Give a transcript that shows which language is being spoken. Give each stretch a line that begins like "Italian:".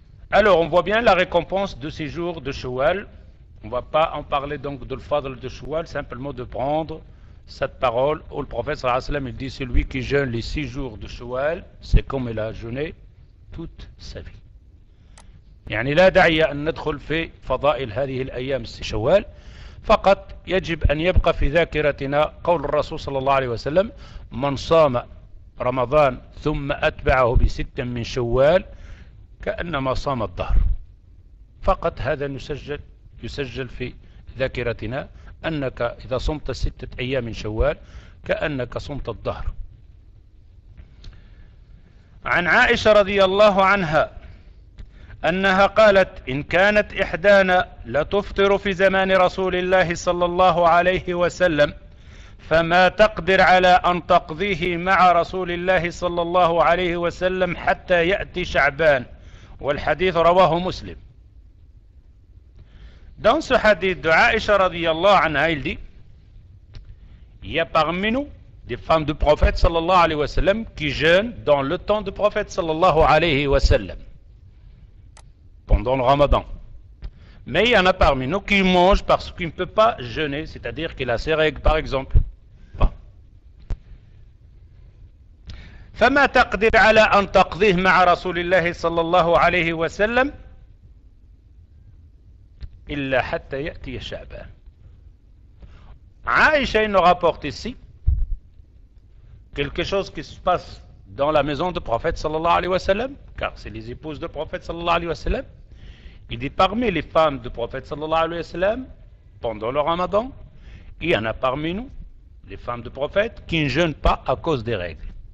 French: Alors, on voit bien la récompense de six jours de Shawwal. On ne va pas en parler donc de l'fadl de Shawwal, simplement de prendre cette parole où le prophète sallallahu alayhi wa sallam, il dit celui qui jeûne les six jours de Shawwal, c'est comme il a jeûné toute sa vie.
Arabic: يعني لا داعي أن ندخل في فضائل هذه الأيام الشوال، فقط يجب أن يبقى في ذاكرتنا قول الرسول صلى الله عليه وسلم من صام رمضان ثم أتبعه بستة من شوال كأنما صام الظهر. فقط هذا يسجل في ذاكرتنا أنك إذا صمت ستة أيام من شوال كأنك صمت الظهر. عن عائشة رضي الله عنها أنها قالت إن كانت إحدانا لا تفطر في زمان رسول الله صلى الله عليه وسلم فما تقدر على أن تقضيه مع رسول الله صلى الله عليه وسلم حتى يأتي شعبان، والحديث رواه مسلم.
French: Dans ce hadith de Aisha radiyallahu anha, il dit, il y a parmi nous des femmes du prophète sallallahu alayhi wa sallam qui jeûnent dans le temps du prophète sallallahu alayhi wa sallam. pendant le ramadan. Mais il y en a parmi nous qui mangent parce qu'il ne peut pas jeûner, c'est-à-dire qu'il a ses règles, par exemple.
Arabic: فما تقدر على أن تقضيه مع رسول الله صلى الله عليه وسلم إلا حتى يأتي شعبان.
French: عائشة nous rapporte ici quelque chose qui se passe dans la maison du prophète صلى الله عليه وسلم, car c'est les épouses du prophète صلى الله عليه وسلم. Il dit parmi les femmes du prophète صلى الله عليه وسلم pendant le ramadan, il y en a parmi nous, les femmes du prophète, qui ne jeûnent pas à cause des règles.